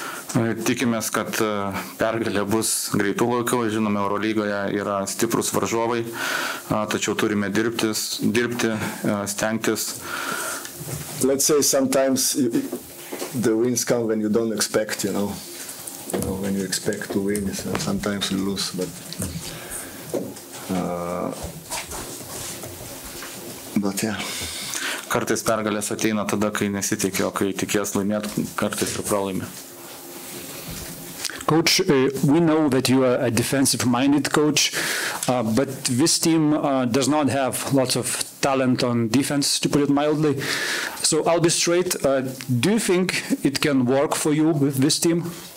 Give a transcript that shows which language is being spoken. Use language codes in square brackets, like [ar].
[lt] Tikimės, kad pergalė bus greitų laikų. Žinome, Eurolygoje yra stiprus varžovai, tačiau turime dirbti, stengtis. [en] Let's say sometimes the wins come when you don't expect, you know. You know, when you expect to win, sometimes you lose, but yeah. [lt] Kartais pergalės ateina tada, kai nesitikė, o kai tikės laimėt, kartais ir pralaimė. [en] Coach, we know that you are a defensive-minded coach, but this team does not have lots of talent on defense, to put it mildly. So I'll be straight. Do you think it can work for you with this team?